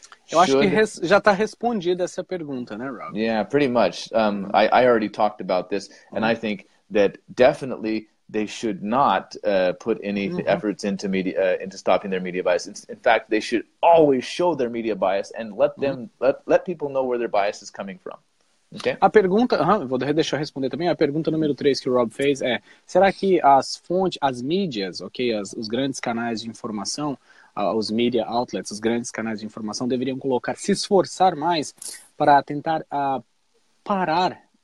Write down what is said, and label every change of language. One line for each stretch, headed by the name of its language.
Portuguese: Eu acho que já está respondida essa pergunta, né, Rob?
English: Yeah, pretty much. I already talked about this, and I think that definitely they should not put any efforts into media into stopping their media bias. In fact, they should always show their media bias and let them let people know where their bias is coming from. Okay?
Portuguese: A pergunta, deixa eu responder também. A pergunta número 3 que o Rob fez é: será que as fontes, as mídias, okay, os grandes canais de informação, os media outlets, os grandes canais de informação deveriam colocar, se esforçar mais para tentar parar,